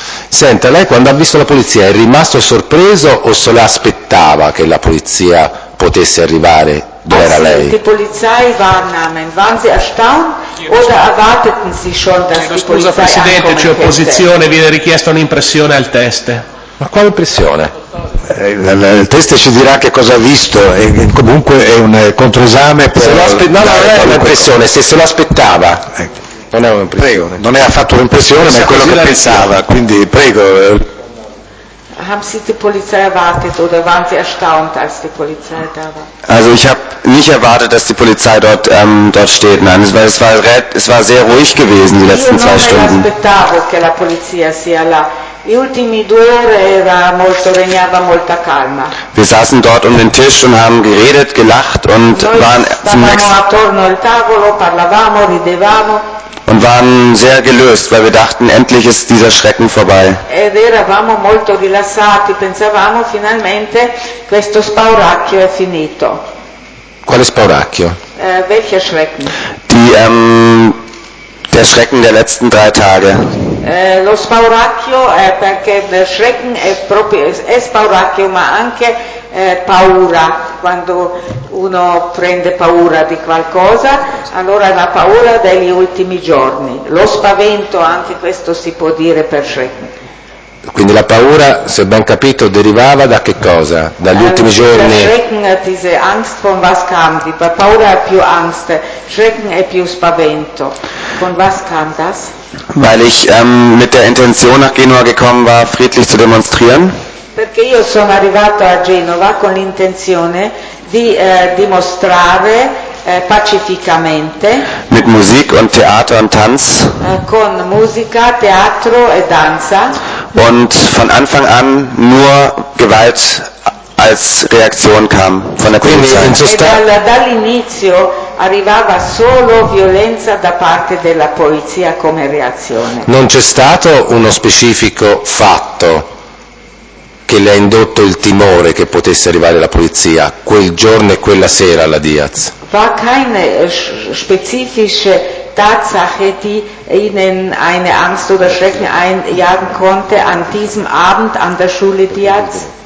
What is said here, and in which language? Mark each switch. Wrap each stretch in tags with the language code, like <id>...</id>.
<it>Senta, lei quando ha visto la polizia è rimasto sorpreso o se la aspettava che la polizia potesse arrivare dove era lei?</it> <de>Die Polizei wahrnahmen. Waren Sie erstaunt oder erwarteten Sie schon, dass die Polizei?</de> <it>Scusa Presidente, c'è opposizione, viene richiesta un'impressione al test. Ma quale impressione? Il test ci dirà che cosa ha visto, e comunque è un controesame per. Se lo aspettava, non è un'impressione, se se lo aspettava. Non è un'impressione. Prego, non è affatto un'impressione, ma è quello che pensava. Quindi prego.</it> <de>Haben Sie die Polizei erwartet oder waren Sie erstaunt, als die Polizei da war? Also ich habe nicht erwartet, dass die Polizei dort dort steht. Nein, es war sehr ruhig gewesen die letzten zwei Stunden.</de> <it>Io non mi aspettavo che la polizia sia là. Gli ultimi due ore era molto regnava molta calma.</it> <de>Wir saßen dort um den Tisch und haben geredet, gelacht und</de> <it>noi</it> <de>waren zum nächsten.</de> <it>Stavamo attorno al tavolo, parlavamo, ridevamo.</it> <de>Und waren sehr gelöst, weil wir dachten, endlich ist dieser Schrecken vorbei.</de> <it>Ed eravamo molto rilassati, pensavamo finalmente questo spauracchio è finito. Quale spauracchio?</it> <de>Welcher Schrecken? Der Schrecken der letzten drei Tage.</de> <it>Lo spauracchio è perché</it> <de>der Schrecken</de> <it>è proprio è spauracchio, ma anche paura. quando uno prende paura di qualcosa, allora la paura degli ultimi giorni, lo spavento, anche questo si può dire per Shrekman. Quindi la paura, se ben capito, derivava da che cosa? Dagli ultimi giorni?</it> <de>Schrecken, diese Angst, von was kam die?</de> <it>Paura è più Angst, Schrecken è più spavento.</it> <de>Von was kam das? Weil ich mit der Intention nach Genua gekommen war, friedlich zu demonstrieren.</de> <it>Perché io sono arrivato a Genova con l'intenzione di dimostrare pacificamente.</it> <de>Mit Musik und Theater und Tanz.</de> <it>Con musica, teatro e danza.</it> <de>Und von Anfang an nur Gewalt als Reaktion kam von der Polizei.</de> <it>Dall'inizio arrivava solo violenza da parte della polizia come reazione. Non c'è stato uno specifico fatto che le ha indotto il timore che potesse arrivare la polizia quel giorno e quella sera alla Diaz.</it> <de>War keine spezifische Tatsache, die ihnen eine Angst oder Schrecken einjagen konnte an diesem Abend an der Schule Diaz?</de>